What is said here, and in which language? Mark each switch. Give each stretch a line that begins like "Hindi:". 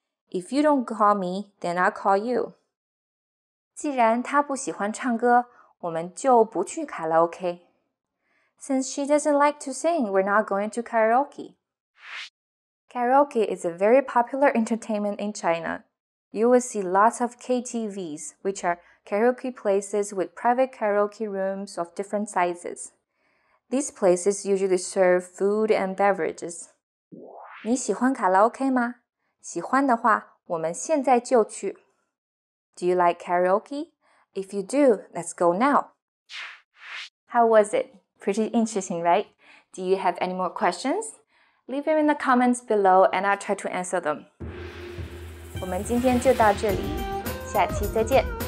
English: If you don't call me, then I'll call you.
Chinese: 既然她不喜欢唱歌, 我们就不去卡拉OK.
English: Since she doesn't like to sing, we're not going to karaoke. Karaoke is a very popular entertainment in China. You will see lots of KTVs, which are karaoke places with private karaoke rooms of different sizes. These places usually serve food and beverages.
Chinese: 你喜欢卡拉OK吗? 喜欢的话,我们现在就去.
English: Do you like karaoke? If you do, let's go now. How was it? Pretty interesting, right? Do you have any more questions? Leave them in the comments below and I'll try to answer them.
Chinese: 我们今天就到这里, 下期再见.